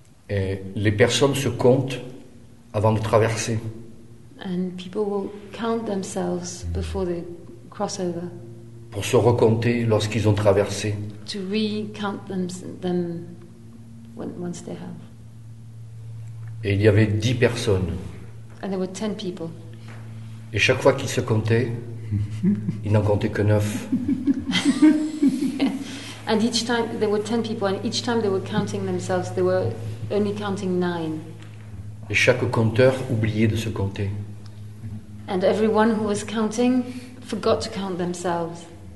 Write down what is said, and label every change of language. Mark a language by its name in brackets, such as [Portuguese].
[French] Et les personnes se comptent avant de traverser. [English] And people will count themselves before they cross over. [French] Pour se recompter lorsqu'ils ont traversé. [English] To recount them once they have. [French] Et il y avait 10 personnes. [English] And there were 10 people. [French] Et chaque fois qu'ils se comptaient, ils n'en comptaient que 9. [English] And each time there were 10 people, and each time they were counting themselves, they were only counting 9. [French] Et chaque compteur oubliait de se compter. [English] And everyone who was counting forgot to count themselves.